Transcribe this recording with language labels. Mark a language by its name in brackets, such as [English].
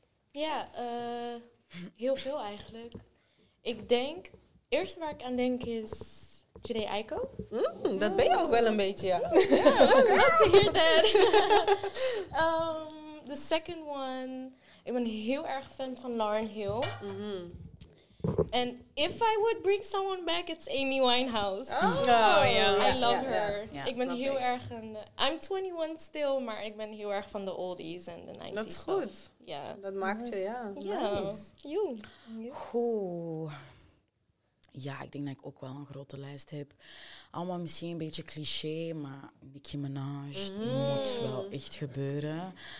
[Dutch] Ja, heel veel eigenlijk. Ik denk, het eerste waar ik aan denk is Jhené Aiko. Dat ben je ook wel een beetje, ja. [English] Ja, yeah, to hear that. the second one... [Dutch] Ik ben heel erg fan van Lauryn Hill. En [English] if I would bring someone back, it's Amy Winehouse. I love her. [Dutch] Ik ben heel erg een... [English] I'm 21 still, [Dutch] maar ik ben heel erg van de oldies en de 90s. Dat is goed. Ja. Dat maakt je, ja. [English] Ja. Nice. You. [Dutch] Ja, ik denk dat ik ook wel een grote lijst heb. Allemaal misschien een beetje cliché, maar Nicki Minaj moet wel echt gebeuren.